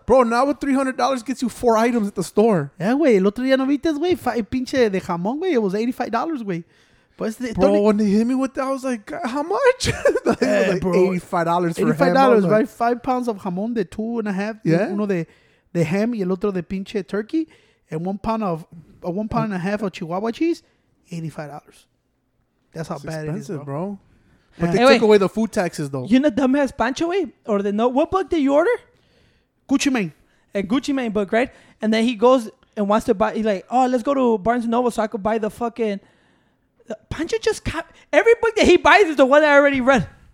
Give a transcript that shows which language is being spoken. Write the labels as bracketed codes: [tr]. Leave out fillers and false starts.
[en] Bro, now with $300 gets you 4 items at the store. [es] Yeah, güey. El otro día no viste, güey. Pinche de jamón, güey. [en] It was $85, [es] güey. [en] Bro, when they hit me with that, I was like, how much? Like, hey, like bro. $85 for $85, ham. Right? 5 pounds of jamón de 2.5. Yeah. [es] Uno de ham y el otro de pinche turkey. [en] And 1 pound of, 1 pound and a half of Chihuahua cheese. $85. That's how it's bad expensive, it is, bro. Yeah. But they took away the food taxes, though. You know, dumbass Pancho, wait? Or the no? What book did you order? Gucci Mane. A Gucci Mane book, right? And then he goes and wants to buy, he's like, oh, let's go to Barnes & Noble so I could buy the fucking... Pancho just copy. Every book that he buys is the one I already read.